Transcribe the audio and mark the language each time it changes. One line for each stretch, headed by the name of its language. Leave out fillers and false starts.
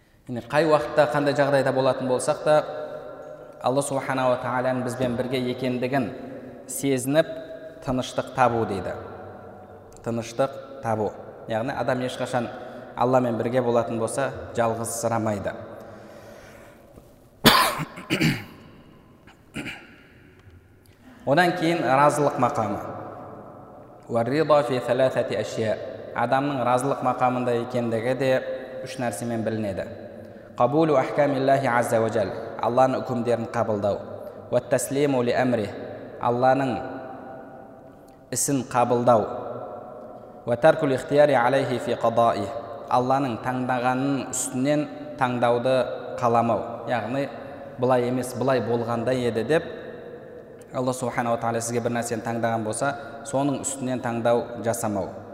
Kazakh: Яғни қай уақытта қандай жағдайда болатын болсақ та Алла Субханаһу ва Тааланың бізбен бірге екендігін сезініп тыныштық табу дейді. Тыныштық табу. Яғни адам ешқашан Алла мен бірге болатын болса, жалғыз сырамайды. Одан кейін разылық мақамы.
Arabic: Уарида фи саласати ашья.
Kazakh: Адамның разылық мақамында екендігі де үш нәрсемен білінеді.
Arabic: Қабулу ахкамиллахи азза ва джал.
Kazakh: Алланың үкімдерін қабылдау.
Arabic: Ваттаслиму ли амри.
Kazakh: Алланың ісін қабылдау.
Arabic: Ватаркул ихтияри алейхи фи қадаи.
Kazakh: Алланың таңдағанын үстінен таңдауды қаламау. Яғни, былай емес, былай болғанда еді деп, Алла субхана ва тааля сізге бір нәрсені таңдаған болса, соның үстінен таңдау жасамау.